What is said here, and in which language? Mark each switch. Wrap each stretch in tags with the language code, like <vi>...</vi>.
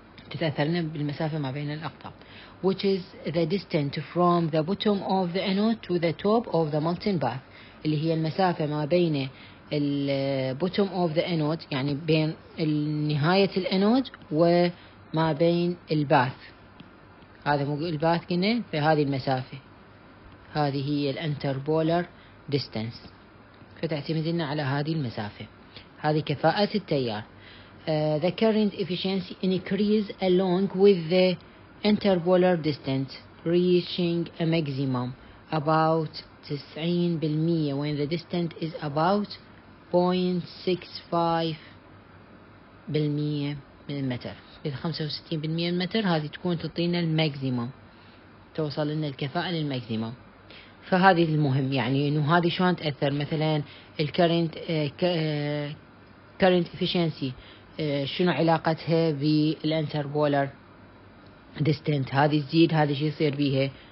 <ar>تتأثر لنا بالمسافة ما بين الأقطاب.</ar> <en>Which is the distance from the bottom of the anode to the top of the molten bath.</en> <ar>اللي هي المسافة ما بين</ar> <en>bottom of the anode,</en> <ar>يعني بين نهاية الانود وما بين الباث. هذا مو الباث كنا, في هذه المسافة, هذه هي الانتربولر ديستنس. فتعتمدنا على هذه المسافة, هذه كفاءة التيار.</ar> <en>The current efficiency increase along with the interpolar distance, reaching a maximum about 90% when the distance is about 0.65%</en> <ar>من المتر. 65% من المتر هذه تكون تعطينا الماكسيمم, توصل لنا الكفاءة للماكسيمم. فهذه المهم, يعني انه هذه شلون تأثر. مثلا الكرنت current efficiency شنو علاقتها بالانتربولر ديستنت، هذه تزيد هذه شو يصير بيها.</ar>